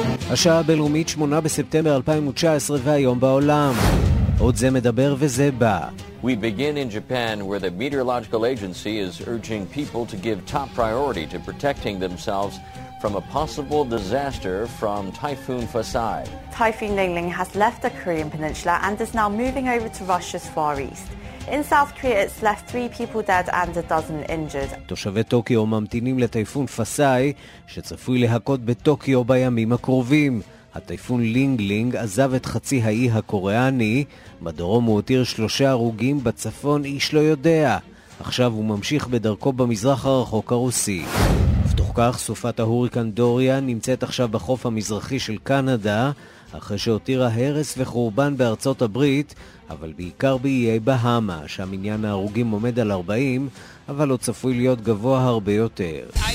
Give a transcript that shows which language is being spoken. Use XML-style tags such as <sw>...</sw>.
<he>השעה הבינלאומית 8 בספטמבר 2019 והיום בעולם. עוד זה מדבר וזה בא.</he> <en>We begin in Japan where the meteorological agency is urging people to give top priority to protecting themselves from a possible disaster from Typhoon Fasai. Typhoon Lingling has left the Korean peninsula and is now moving over to Russia's far east. In South Korea it's left 3 people dead and a dozen injured.</en> <he>תושבי טוקיו ממתינים לטייפון פסאי שצפוי להכות בטוקיו בימים הקרובים. הטייפון לינגלינג עזב את חצי האי הקוריאני, בדרום הוא הותיר 3 הרוגים, בצפון איש לא יודע. עכשיו הוא ממשיך בדרכו במזרח הרחוק הרוסי. בתוך כך, סופת ההוריקן דוריאן נמצאת עכשיו בחוף המזרחי של קנדה, אחרי שהותירה הרס וחורבן בארצות הברית, אבל בעיקר באיי בהאמה, שם עניין ההרוגים עומד על 40, אבל הוא צפוי להיות גבוה הרבה יותר.</he>